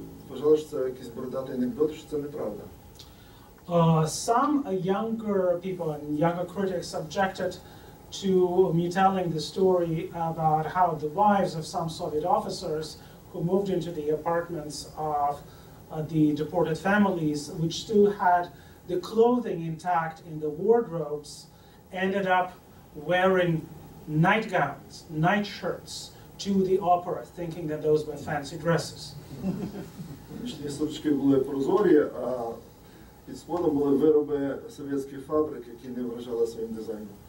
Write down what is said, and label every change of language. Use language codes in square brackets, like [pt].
[uk] Вважали, що це якийсь бородатий анекдот, що це неправда. [en] Some younger people and younger critics objected to me telling the story about how the wives of some Soviet officers who moved into the apartments of the deported families, which still had the clothing intact in the wardrobes, ended up wearing nightgowns, nightshirts to the opera, thinking that those were fancy dresses. [uk] Нічні сорочки були прозорі, а під сходом були вироби совєтських фабрик, які не вражали своїм дизайном.